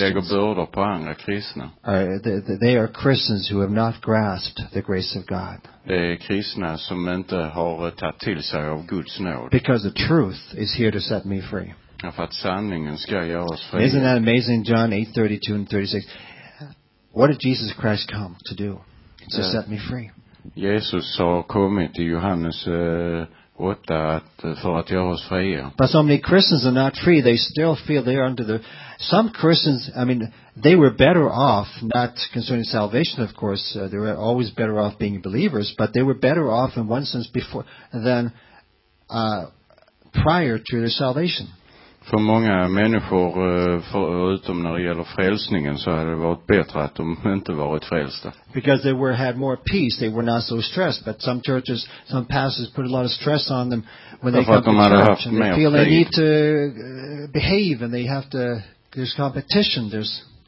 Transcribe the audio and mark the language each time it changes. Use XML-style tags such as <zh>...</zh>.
<sv>Lägger bördor på andra kristna.</sv> <en>They are Christians who have not grasped the grace of God.</en> <sv>Det är kristna som inte har tagit till sig av Guds nåd.</sv> <en>Because the truth is here to set me free.</en> <sv>Och för att sanningen ska göra oss fri.</sv> <en>Isn't that amazing, John 8:32 and 36? What did Jesus Christ come to do? To set me free.</en> <sv>Jesus har kommit i Johannes 8 för att göra oss fria.</sv> <en>But so many Christians are not free. They still feel they are under the... Some Christians, I mean, they were better off, not concerning salvation, of course. They were always better off being believers, but they were better off in one sense before than prior to their salvation.</en> <sv>För många människor, förutom när det gäller frälsningen, så hade det varit bättre att de inte varit frälsta.</sv> <en>Because they had more peace, they were not so stressed. But some churches, some pastors put a lot of stress on them when they come to church.</en> <sv>Haft</sv> <en>and they feel they need to behave and they have to, there's competition, there's...</en>